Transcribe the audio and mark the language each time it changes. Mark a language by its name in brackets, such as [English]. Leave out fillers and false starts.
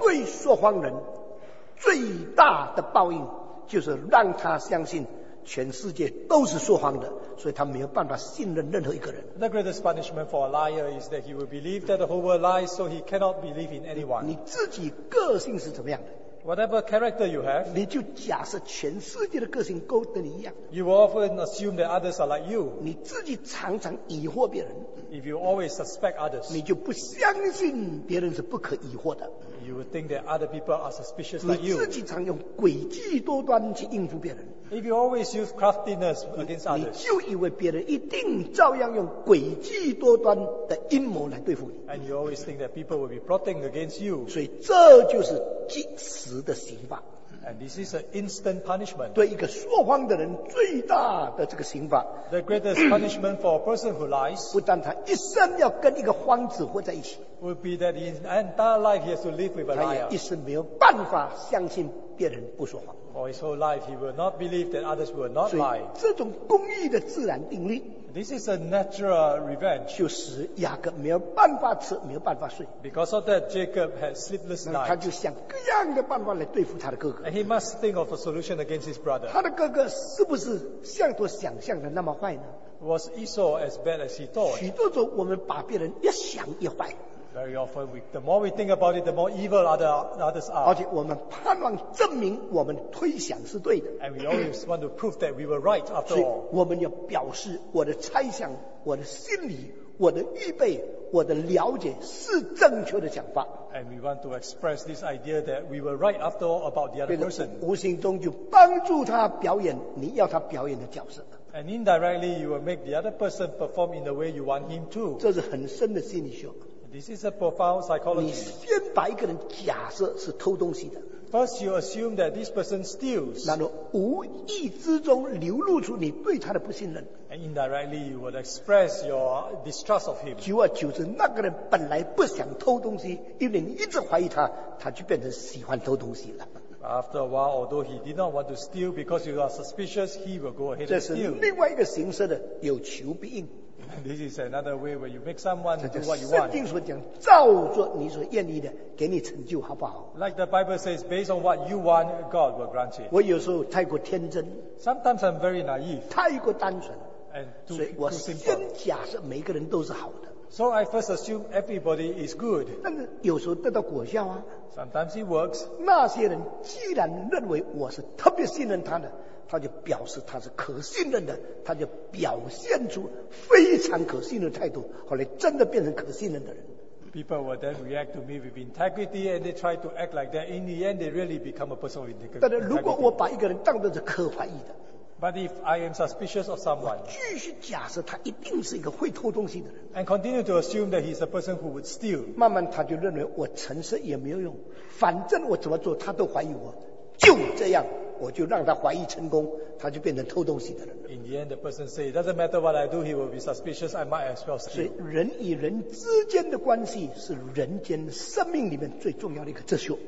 [Chinese] 对说谎人最大的报应就是让他相信全世界都是说谎的，所以他没有办法信任任何一个人。 [English] The greatest punishment for a liar is that he will believe that the whole world lies, so he cannot believe in anyone. [Chinese] 你自己个性是怎么样的？ [English] Whatever character you have, [Chinese] 你就假设全世界的个性都跟你一样。 [English] You will often assume that others are like you. [Chinese] 你自己常常疑惑别人。 [English] If you always suspect others, [Chinese] 你就不相信别人是不可疑惑的。 [English] You would think that other people are suspicious like you. [Chinese] 你自己常用诡计多端去应付别人。 [English] If you always use craftiness against others, [Chinese] 你就以为别人一定照样用诡计多端的阴谋来对付你。 [English] And you always think that people will be plotting against you. [Chinese] 所以这就是即时的刑罚。 [English] And this is an instant punishment. [Chinese] 对一个说谎的人最大的这个刑罚。 [English] The greatest punishment for a person who lies. [Chinese] 不但他一生要跟一个谎子活在一起。 [English] Would be that his entire life he has to live with a liar. [Chinese] 他也一生没有办法相信别人不说谎。 [English] For his whole life, he will not believe that others will not lie. [Chinese] 所以这种公义的自然定律。 [English] This is a natural revenge. [Chinese] 就使雅各没有办法吃，没有办法睡。 [English] Because of that, Jacob had sleepless night. [Chinese] 他就想各样的办法来对付他的哥哥。 [English] And he must think of a solution against his brother. [Chinese] 他的哥哥是不是像他想象的那么坏呢？ [English] Was Esau as bad as he thought? [Chinese] 许多时候我们把别人越想越坏。 [English] Very often, the more we think about it, the more evil others are. [Chinese] 而且我们盼望证明我们推想是对的。 [English] And we always want to prove that we were right after all. [Chinese] 所以我们要表示我的猜想、我的心理、我的预备、我的了解是正确的想法。 [English] And we want to express this idea that we were right after all about the other person. [Chinese] 无形中就帮助他表演你要他表演的角色。 [English] And indirectly, you will make the other person perform in the way you want him to. [Chinese] 这是很深的心理学。 [English] This is a profound psychology. [Chinese] 你先把一个人假设是偷东西的。 [English] First, you assume that this person steals. [Chinese] 然后无意之中流露出你对他的不信任。 [English] And indirectly, you would express your distrust of him. [Chinese] 久而久之，那个人本来不想偷东西，因为你一直怀疑他，他就变成喜欢偷东西了。 [English] After a while, although he did not want to steal because you are suspicious, he will go ahead and steal. [Chinese] 这是另外一个形式的有求必应。 [English] This is another way where you make someone do what you want. [Chinese] 圣经所讲，照着你所愿意的，给你成就，好不好？ [English] Like the Bible says, based on what you want, God will grant it. [Chinese] 我有时候太过天真。 [English] Sometimes I'm very naive. [Chinese] 太过单纯。 [English] And too simple. [Chinese] 所以我先假设每个人都是好的。 [English] So I first assume everybody is good. [Chinese] 但是有时候得到果效啊。 [English] Sometimes it works. [Chinese] 那些人既然认为我是特别信任他的，他就表示他是可信任的，他就表现出非常可信任的态度，后来真的变成可信任的人。 [English] People will then react to me with integrity and they try to act like that. In the end, they really become a person of integrity. [Chinese] 但是如果我把一个人当作是可怀疑的， [English] But if I am suspicious of someone, [Chinese] 继续假设他一定是一个会偷东西的人， [English] And continue to assume that he's a person who would steal. [Chinese] 慢慢他就认为我诚实也没有用，反正我怎么做他都怀疑我，就这样我就让他怀疑成功，他就变成偷东西的人。 [English] In the end, the person says, "Doesn't matter what I do, he will be suspicious. I might as well steal." [Chinese] 所以，人与人之间的关系是人间生命里面最重要的一个哲学。